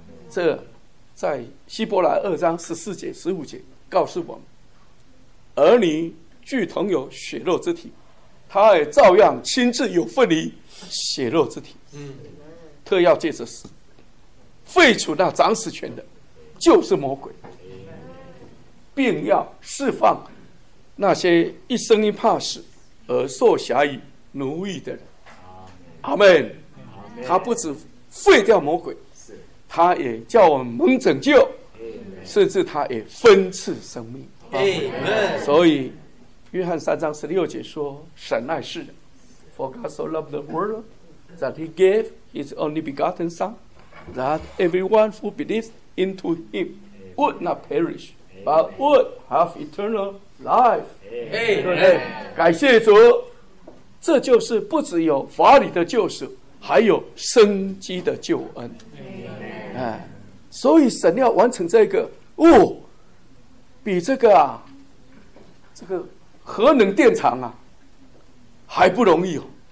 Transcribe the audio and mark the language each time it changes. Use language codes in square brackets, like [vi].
[zh] 这在希伯来二章十四节十五节告诉我们，儿女俱同有血肉之体，他也照样亲自有份于血肉之体，特要借着死废除那掌死权的，就是魔鬼，并要释放那些一生一怕死而受辖于奴役的人。阿们，他不止废掉魔鬼，他也叫我们蒙拯救，甚至他也分赐生命。所以约翰三章十六节说，神爱世人， [en] For God so loved the world that he gave his only begotten son, that everyone who believes into him would not perish, but would have eternal life. Amen. [zh] 感谢主，这就是不只有法理的救赎，还有生机的救恩。 [en] Amen. [zh] 所以神要完成这个，哦，比这个啊，这个核能电厂啊，还不容易哦。